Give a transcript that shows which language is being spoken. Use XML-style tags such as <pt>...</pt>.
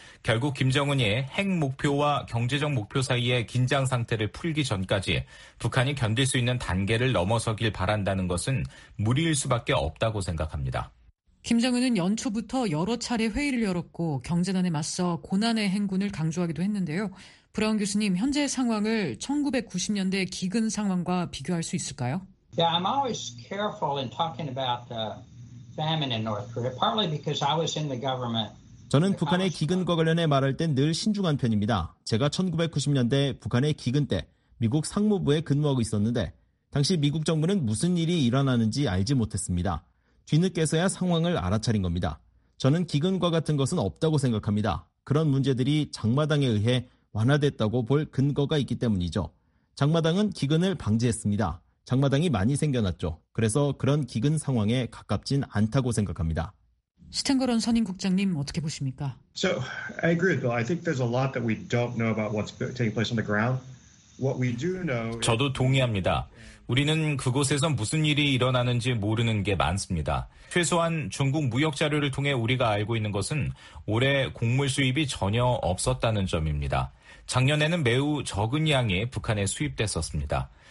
<ko>결국 김정은이 핵 목표와 경제적 목표 사이의 긴장 상태를 풀기 전까지 북한이 견딜 수 있는 단계를 넘어서길 바란다는 것은 무리일 수밖에 없다고 생각합니다. 김정은은 연초부터 여러 차례 회의를 열었고 경제난에 맞서 고난의 행군을 강조하기도 했는데요. 브라운 교수님, 현재 상황을 1990년대 기근 상황과 비교할 수 있을까요?</ko> <en>Yeah, I'm always careful in talking about the famine in North Korea, partly because I was in the government.</en> <ko>저는 북한의 기근과 관련해 말할 땐 늘 신중한 편입니다. 제가 1990년대 북한의 기근 때 미국 상무부에 근무하고 있었는데 당시 미국 정부는 무슨 일이 일어나는지 알지 못했습니다. 뒤늦게서야 상황을 알아차린 겁니다. 저는 기근과 같은 것은 없다고 생각합니다. 그런 문제들이 장마당에 의해 완화됐다고 볼 근거가 있기 때문이죠. 장마당은 기근을 방지했습니다. 장마당이 많이 생겨났죠. 그래서 그런 기근 상황에 가깝진 않다고 생각합니다. 시텐거런 선임 국장님 어떻게 보십니까?</ko> <en>So I agree with Bill. I think there's a lot that we don't know about what's taking place on the ground. What we do know.</en> <ko>저도 동의합니다. 우리는 그곳에서 무슨 일이 일어나는지 모르는 게 많습니다. 최소한 중국 무역 자료를 통해 우리가 알고 있는 것은 올해 곡물 수입이 전혀 없었다는 점입니다. 작년에는 매우 적은 양이 북한에 수입됐었습니다.</ko>